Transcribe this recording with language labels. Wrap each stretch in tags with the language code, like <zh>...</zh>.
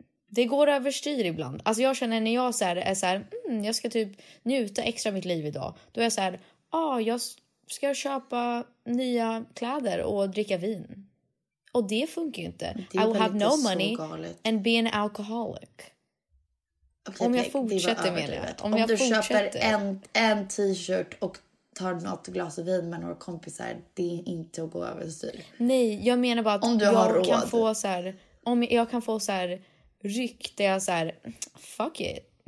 <sv>Det går överstyr ibland. Alltså jag känner när jag är så här, jag ska typ njuta extra av mitt liv idag. Då är jag så här, jag ska köpa nya kläder och dricka vin. Och det funkar ju inte.</sv> <en>I will have no money and be an alcoholic.</en> <sv>Okay, om jag fortsätter med det. Om du köper en t-shirt och tar något glas av vin med några kompisar, det är inte att gå över styr. Nej, jag menar bara att om du har råd. Kan få så här, om jag kan få så här ryck där jag så här,</sv> <en>fuck it.</en>